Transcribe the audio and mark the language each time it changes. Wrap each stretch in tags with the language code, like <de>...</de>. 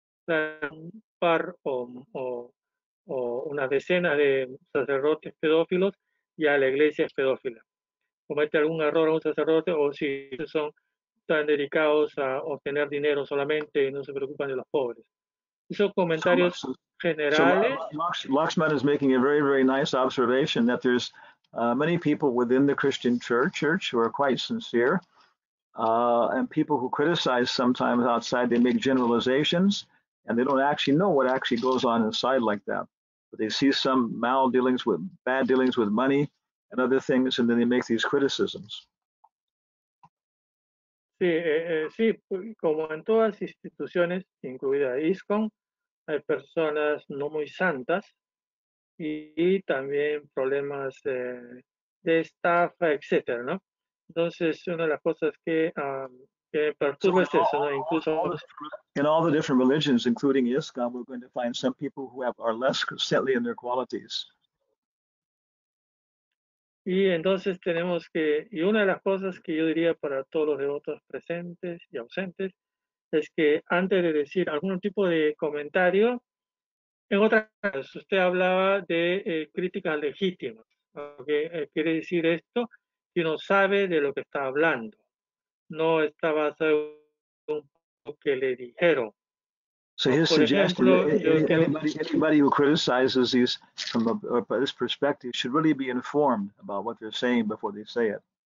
<es>Un par o una decena de sacerdotes pedófilos, ya la iglesia es pedófila. Comete algún error a un sacerdote, o si son tan dedicados a obtener dinero solamente y no se preocupan de los pobres. Esos comentarios generales.</es> <en>Lakshman is making a very, very nice observation that there's many people within the Christian church who are quite sincere, and people who criticize sometimes outside, they make generalizations, and they don't actually know what actually goes on inside like that. But they see some bad dealings with money and other things, and then they make these criticisms.</en> <es>Sí, como en todas instituciones, incluida ISKCON, hay personas no muy santas y también problemas de estafa, etcétera, ¿no? Entonces, una de las cosas que perturba es eso, ¿no? Incluso</es> <en>in all the different religions, including ISKCON, we're going to find some people who are less saintly in their qualities.</en> <es>Y entonces tenemos que, y una de las cosas que yo diría para todos los devotos presentes y ausentes, es que antes de decir algún tipo de comentario, en otras palabras, usted hablaba de críticas legítimas. ¿Okay? Quiere decir esto, que uno sabe de lo que está hablando. No está basado en lo que le dijeron.</es> <en>So his suggestion, anybody who criticizes these from this perspective should really be informed about what they're saying before they say it.</en>